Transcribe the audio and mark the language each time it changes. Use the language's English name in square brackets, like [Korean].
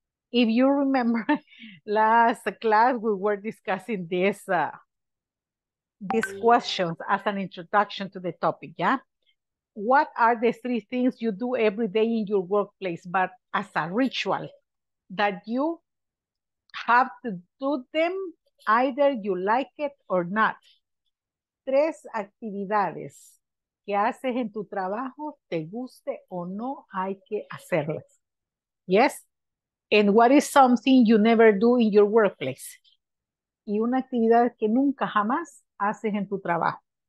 [English] If you remember last class, we were discussing this, these questions as an introduction to the topic, yeah? What are the three things you do every day in your workplace, but as a ritual that you have to do them, either you like it or not? [Spanish] Tres actividades que haces en tu trabajo, te guste o no, hay que hacerlas. [English] Yes? And what is something you never do in your workplace? [Spanish] Y una actividad que nunca jamás haces en tu trabajo.